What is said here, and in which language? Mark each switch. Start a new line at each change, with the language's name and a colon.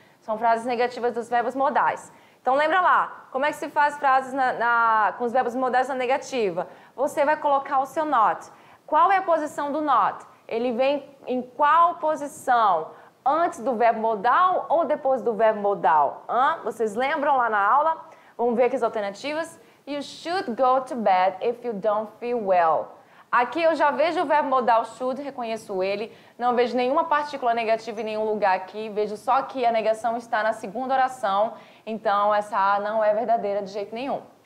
Portuguese: São frases negativas dos verbos modais. Então lembra lá, como é que se faz frases com os verbos modais na negativa? Você vai colocar o seu not. Qual é a posição do not? Ele vem em qual posição? Antes do verbo modal ou depois do verbo modal? Hã? Vocês lembram lá na aula? Vamos ver aqui as alternativas.
English: You should go to bed if you don't feel well.
Portuguese: Aqui eu já vejo o verbo modal should, reconheço ele. Não vejo nenhuma partícula negativa em nenhum lugar aqui. Vejo só que a negação está na segunda oração. Então, essa A não é verdadeira de jeito nenhum.